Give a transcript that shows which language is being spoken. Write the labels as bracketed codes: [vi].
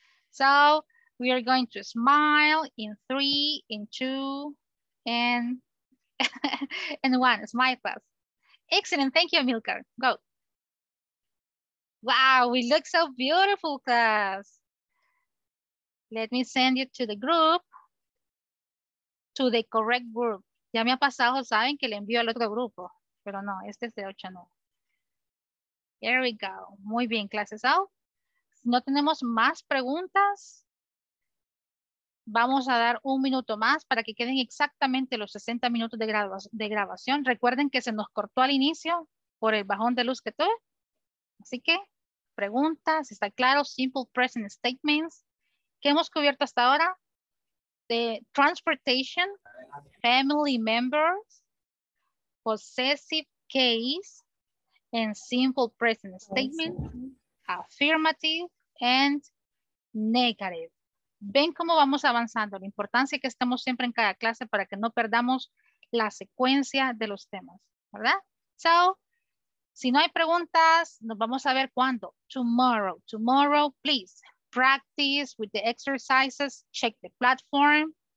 [en] So we are going to smile in 3, 2, and 1. Smile class. Excellent. Thank you, Amilcar. Go. Wow, we look so beautiful, class. Let me send you to the group, to the correct group. [es] Ya me ha pasado, saben, que le envío al otro grupo. Pero no, este es de 8, no. [en] Here we go. [es] Muy bien, clases out. Si no tenemos más preguntas, vamos a dar un minuto más para que queden exactamente los 60 minutos de grabación. Recuerden que se nos cortó al inicio por el bajón de luz que tuve. Así que, preguntas, ¿está claro? Simple present statements. ¿Qué hemos cubierto hasta ahora? [en] The transportation, family members, possessive case and simple present statement, affirmative and negative. [es] ¿Ven cómo vamos avanzando? La importancia es que estemos siempre en cada clase para que no perdamos la secuencia de los temas, ¿verdad? So, si no hay preguntas, nos vamos a ver cuándo. [en] Tomorrow. Tomorrow, please practice with the exercises, check the platform.